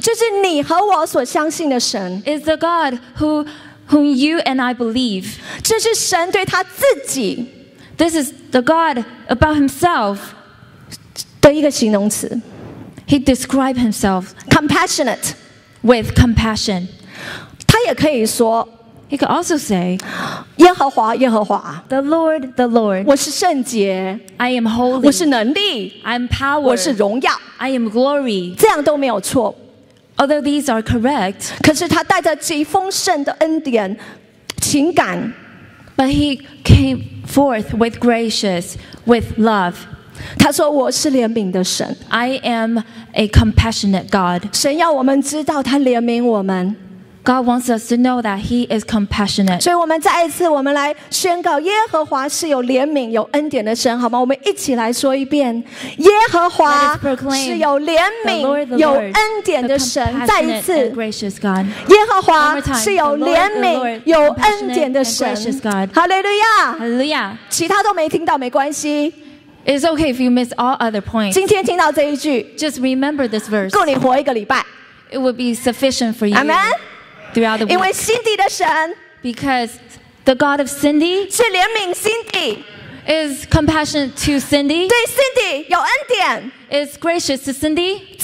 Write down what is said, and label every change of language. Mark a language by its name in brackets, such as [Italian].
[Chinese] 就是你和我所相信的神 [English] is the God whom you and I believe. [Chinese] 这是神对他自己 [English] this is the God about himself. [Chinese] 的一个形容词 [English] He described himself compassionate with compassion. [Chinese] 他也可以说 [English] He could also say, [Chinese] 耶和华，耶和华 [English] The Lord, the Lord. [Chinese] 我是圣洁 [English] I am holy. [Chinese] 我是能力 [English] I am power. [Chinese] 我是荣耀 [English] I am glory. [Chinese] 这样都没有错 [English] Although these are correct. [Chinese] 可是他带着极丰盛的恩典情感 [English] But he came forth with gracious, with love. [Chinese] 他说我是怜悯的神 [English] I am a compassionate God. [Chinese] 神要我们知道他怜悯我们 [English] God wants us to know that He is compassionate. [Chinese] 所以我们再一次，我们来宣告耶和华是有怜悯、有恩典的神，好吗？我们一起来说一遍，耶和华是有怜悯、有恩典的神。再一次，耶和华是有怜悯、有恩典的神。哈利路亚！哈利路亚！其他都没听到没关系。 [English] It's okay if you miss all other points. [Chinese] 今天听到这一句 [English] ，Just remember this verse. [Chinese] 够你活一个礼拜。 [English] It would be sufficient for you. Amen. Throughout the world. Because the God of Cindy is compassionate to Cindy, is gracious to Cindy.